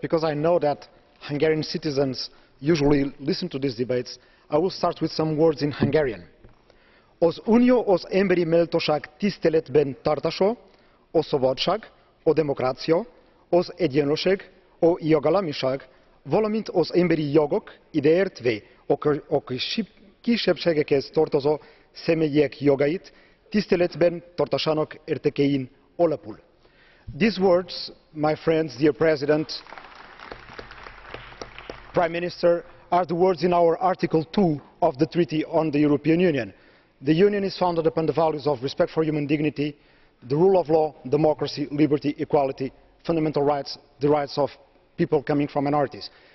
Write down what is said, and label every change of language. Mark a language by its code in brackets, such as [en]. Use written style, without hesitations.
[en] Because I know that Hungarian citizens usually listen to these debates, I will start with some words in Hungarian. [hu] Az unió az emberi méltóság tiszteletben tartása, a szabadság, a demokrácia, az egyenlőség, a jogállamiság, valamint az emberi jogok, ideértve a kisebbségekhez tartozó személyek jogait, tiszteletben tartásának értékein alapul. [en] These words, my friends, dear President, Prime Minister, are the words in our Article 2 of the Treaty on the European Union. The Union is founded upon the values of respect for human dignity, the rule of law, democracy, liberty, equality, fundamental rights, the rights of people coming from minorities.